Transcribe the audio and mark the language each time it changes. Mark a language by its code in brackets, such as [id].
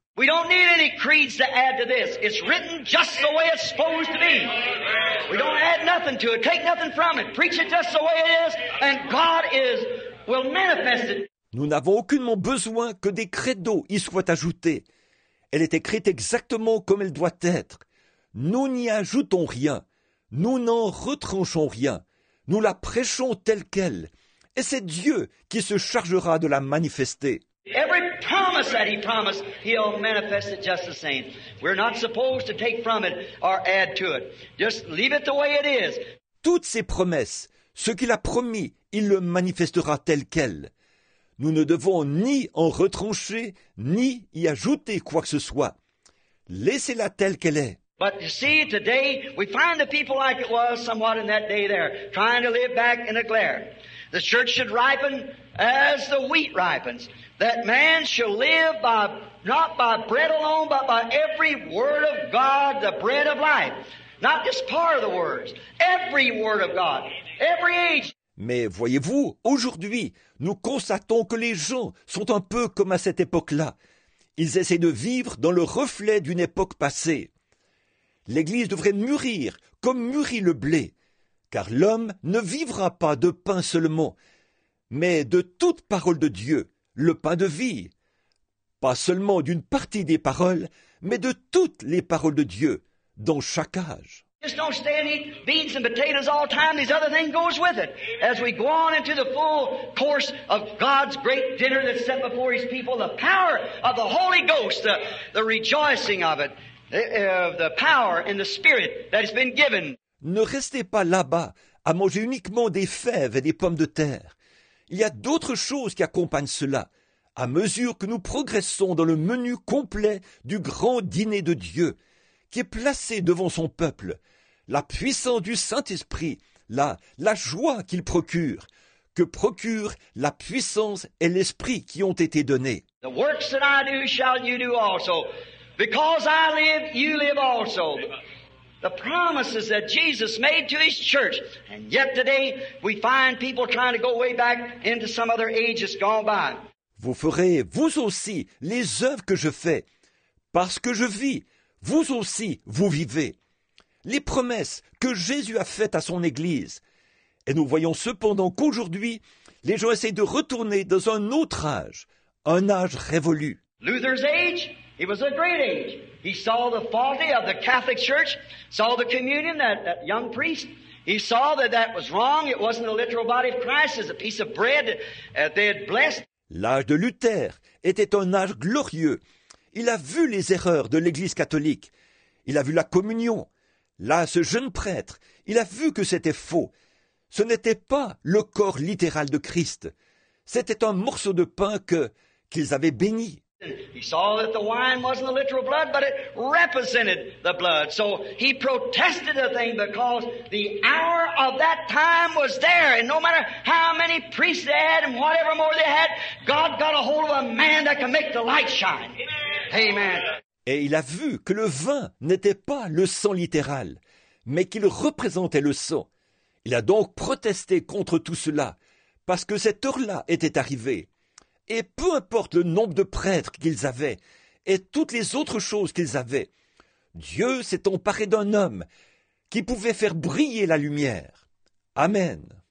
[en] We don't need any creeds to add to this. It's written just the way it's supposed to be. We don't add nothing to it. Take nothing from it. Preach it just the way it is, and God will manifest it. [fr] Nous n'avons aucunement besoin que des credos y soient ajoutés. Elle est écrite exactement comme elle doit être. Nous n'y ajoutons rien. Nous n'en retranchons rien. Nous la prêchons telle qu'elle. Et c'est Dieu qui se chargera de la manifester. [en] Every promise that he promised, he'll manifest it just the same. We're not supposed to take from it or add to it. Just leave it the way it is. [fr] Toutes ses promesses, ce qu'il a promis, il le manifestera tel quel. Nous ne devons ni en retrancher, ni y ajouter quoi que ce soit. Laissez-la telle qu'elle est. [en] But you see, today, we find the people like it was somewhat in that day there, trying to live back in a glare. The church should ripen as the wheat ripens, that man shall live by not by bread alone, but by every word of God, the bread of life. Not just part of the words, every word of God, every age. [fr] Mais voyez-vous, aujourd'hui, nous constatons que les gens sont un peu comme à cette époque-là. Ils essaient de vivre dans le reflet d'une époque passée. L'Église devrait mûrir comme mûrit le blé, car l'homme ne vivra pas de pain seulement, mais de toute parole de Dieu, le pain de vie. Pas seulement d'une partie des paroles, mais de toutes les paroles de Dieu, dans chaque âge. [en] Just don't stay and eat beans and potatoes all the time. These other things go with it. As we go on into the full course of God's great dinner that's set before his people, the power of the Holy Ghost, the rejoicing of it, the power and the spirit that has been given. [fr] Ne restez pas là-bas à manger uniquement des fèves et des pommes de terre. Il y a d'autres choses qui accompagnent cela, à mesure que nous progressons dans le menu complet du grand dîner de Dieu, qui est placé devant son peuple, la puissance du Saint-Esprit, la joie qu'il procure, que procurent la puissance et l'Esprit qui ont été donnés. [en] The works that I do shall you do also. Because I live, you live also. The promises that Jesus made to his church. And yet today, we find people trying to go way back into some other ages gone by. [fr] Vous ferez, vous aussi, les œuvres que je fais. Parce que je vis, vous aussi, vous vivez. Les promesses que Jésus a faites à son Église. Et nous voyons cependant qu'aujourd'hui, les gens essayent de retourner dans un autre âge, un âge révolu. [en] Luther's age, it was a great age. He saw the folly of the Catholic Church, saw the communion, that young priest. He saw that was wrong. It wasn't the literal body of Christ. It was a piece of bread that they had blessed. [fr] L'âge de Luther était un âge glorieux. Il a vu les erreurs de l'Église catholique. Il a vu la communion. Là, ce jeune prêtre, il a vu que c'était faux. Ce n'était pas le corps littéral de Christ. C'était un morceau de pain qu'ils avaient béni. [en] He saw that the wine wasn't the literal blood, but it represented the blood. So he protested the thing because the hour of that time was there. And no matter how many priests they had and whatever more they had, God got a hold of a man that can make the light shine. Amen. [fr] Et il a vu que le vin n'était pas le sang littéral, mais qu'il représentait le sang. Il a donc protesté contre tout cela, parce que cette heure-là était arrivée. et peu importe le nombre de prêtres qu'ils avaient et toutes les autres choses qu'ils avaient, Dieu s'est emparé d'un homme qui pouvait faire briller la lumière. Amen.